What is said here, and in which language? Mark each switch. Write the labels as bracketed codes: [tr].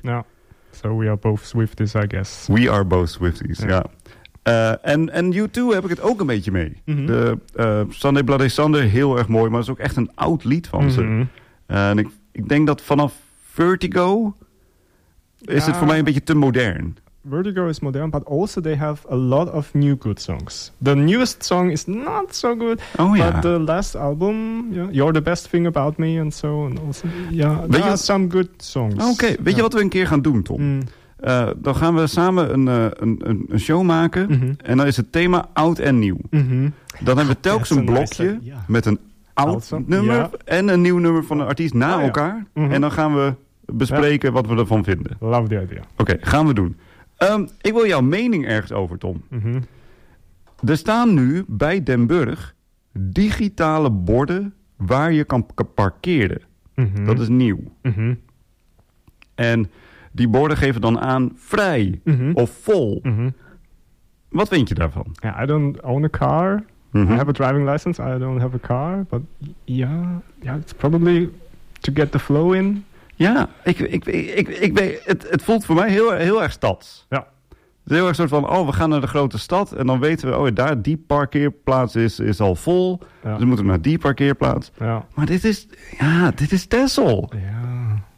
[en] Yeah. So we are both Swifties, I guess. We are both Swifties, ja. [nl] En U2 heb ik het ook een beetje mee. Mm-hmm. De Sunday Bloody Sunday, heel erg mooi. Maar het is ook echt een oud lied van ze. En ik denk dat vanaf Vertigo is het voor mij een beetje te modern. [en] Vertigo is modern, but also they have a lot of new good songs. The newest song is not so good, but the last album, yeah, You're the Best Thing About Me and so, and also, yeah, there are some good songs. [nl] Oké, weet je wat we een keer gaan doen, Tom? Mm. Dan gaan we samen een show maken en dan is het thema oud en nieuw. Mm-hmm. Dan hebben we telkens een blokje met een oud nummer en een nieuw nummer van een artiest na elkaar. Mm-hmm. En dan gaan we bespreken wat we ervan vinden. [en] Love the idea. [nl] Oké, gaan we doen. Ik wil jouw mening ergens over, Tom. Mm-hmm. Er staan nu bij Den Burg digitale borden waar je kan parkeren. Mm-hmm. Dat is nieuw. Mm-hmm. En die borden geven dan aan vrij of vol. Mm-hmm. Wat vind je daarvan? [en] Yeah, I don't own a car. Mm-hmm. I have a driving license. I don't have a car. But yeah, it's probably to get the flow in. [nl] Ja, het voelt voor mij heel erg stads. Ja. Het is heel erg een soort van, we gaan naar de grote stad. En dan weten we, daar die parkeerplaats is al vol. Ja. Dus we moeten naar die parkeerplaats. Ja. Maar dit is Texel. Ja.